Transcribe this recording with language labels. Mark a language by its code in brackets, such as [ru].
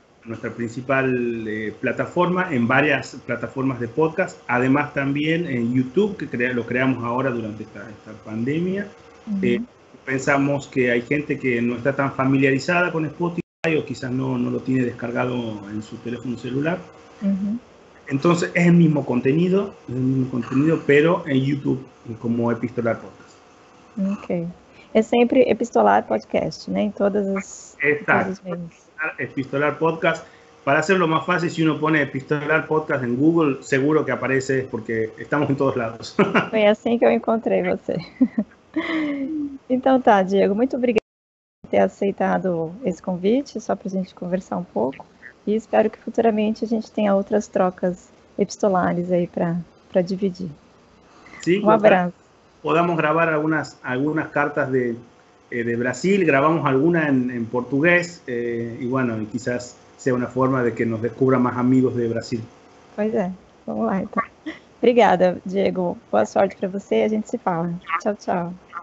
[es] nuestra principal plataforma, en varias plataformas de podcast, además también en YouTube, lo creamos ahora durante esta pandemia. Pensamos que hay gente que no está tan familiarizada con Spotify o quizás no lo tiene descargado en su teléfono celular. Entonces es el mismo contenido, pero en YouTube como Epistolar Podcast. Ok. [pt] É sempre epistolar podcast, né? Em todos os [es] Exacto. [pt] meios. Epistolar Podcast. [es] Para hacerlo más fácil, si uno pone Epistolar Podcast en Google, seguro que aparece porque estamos en todos lados. [pt] Foi assim que eu encontrei você. Então tá, Diego, muito obrigada por ter aceitado esse convite, só para a gente conversar um pouco. E espero que futuramente a gente tenha outras trocas epistolares aí para dividir. Um [es] Sí, ojalá [pt] abraço. [es] podamos grabar algunas cartas de Brasil, grabamos alguna en portugués y bueno, quizás sea una forma de que nos descubra más amigos de Brasil. [pt] Pois é, vamos lá então. Obrigada, Diego. Boa sorte para você e a gente se fala. Tchau, tchau.